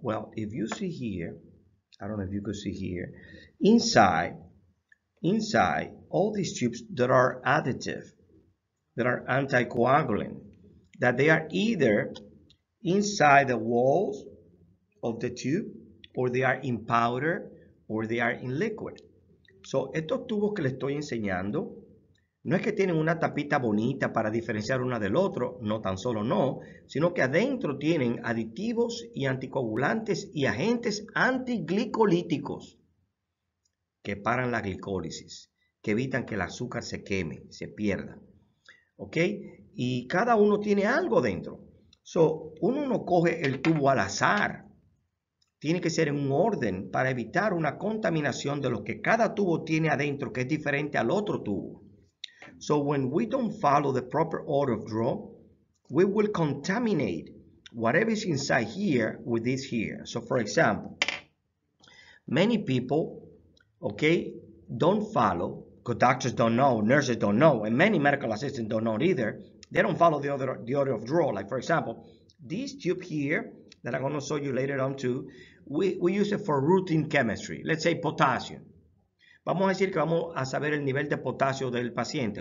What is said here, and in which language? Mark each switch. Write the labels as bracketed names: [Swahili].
[English] Well, if you see here, I don't know if you could see here, inside all these tubes that are additive, that are anticoagulant, that they are either inside the walls of the tube, or they are in powder, or they are in liquid. [Spanish] So, estos tubos que les estoy enseñando, no es que tienen una tapita bonita para diferenciar una del otro, no tan solo no, sino que adentro tienen aditivos y anticoagulantes y agentes antiglicolíticos que paran la glicólisis, que evitan que el azúcar se queme, se pierda. ¿Ok? Y cada uno tiene algo dentro. So, uno no coge el tubo al azar. Tiene que ser en un orden para evitar una contaminación de lo que cada tubo tiene adentro que es diferente al otro tubo. [English] So when we don't follow the proper order of draw, we will contaminate whatever is inside here with this here. So for example, many people, okay, don't follow, because doctors don't know, nurses don't know, and many medical assistants don't know either. They don't follow the order of draw. Like for example, this tube here that I'm gonna show you later on too, we use it for routine chemistry, let's say potassium. [Spanish] Vamos a decir que vamos a saber el nivel de potasio del paciente.